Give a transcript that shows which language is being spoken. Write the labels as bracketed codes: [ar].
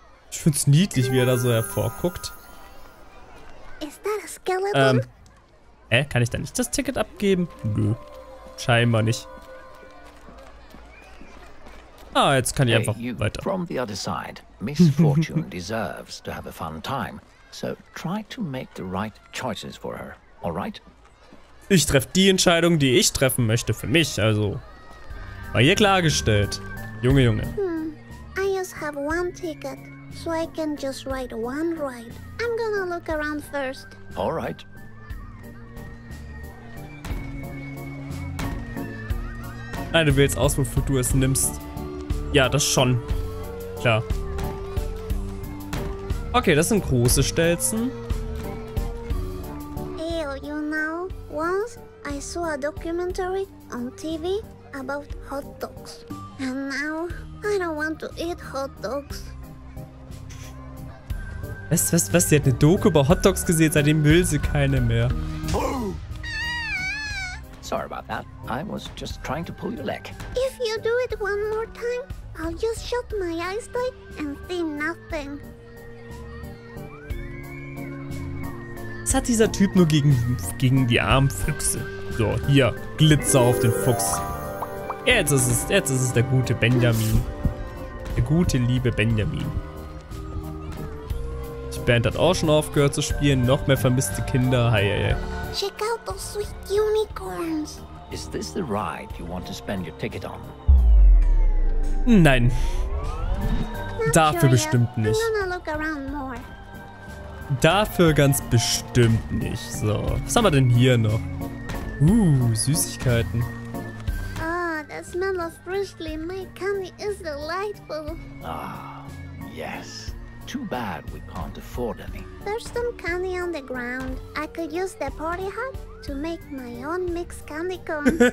[de] Ich find's niedlich, wie er da so hervorguckt. [en] Is that a skeleton? [de] Kann ich da nicht das Ticket abgeben? Nö. Scheinbar nicht. Ah, jetzt kann ich einfach weiter. [en] From the other side, Miss Fortune deserves to have a fun time. So try to make the right choices for her, alright? [de] Ich treffe die Entscheidung, die ich treffen möchte für mich, also. War hier klargestellt. Junge, Junge. [en] I just have one ticket, so I can just ride one ride. I'm gonna look around first. Alright. [de] Nein, du wählst aus, wofür du es nimmst. Ja, das schon. Klar. Okay, das sind große Stelzen. [en] Hey, you know, once I saw a documentary on TV about hot dogs. And now I don't want to eat hot dogs. [de] Was? Sie hat eine Doku über Hot Dogs gesehen, seitdem will sie keine mehr. [en] Sorry about that. I was just trying to pull your leg. If you do it one more time, I'll just shut my eyes tight and see nothing. [de] Was hat dieser Typ nur gegen die armen Füchse? So, hier, Glitzer auf den Fuchs. Jetzt ist es der gute Benjamin. Der gute, liebe Benjamin. Die Band hat auch schon aufgehört zu spielen. Noch mehr vermisste Kinder. Heieiei. [en] Check out those sweet unicorns. Is this the ride you want to spend your ticket on? [de] Nein. Dafür bestimmt nicht. [en] I'm gonna look around more. [de] Dafür ganz bestimmt nicht. So, was haben wir denn hier noch? Süßigkeiten. [en] Ah, the smell of freshly made candy is delightful. Ah, yes. Too bad we can't afford any. There's some candy on the ground. I could use the party hat to make my own mixed candy cone.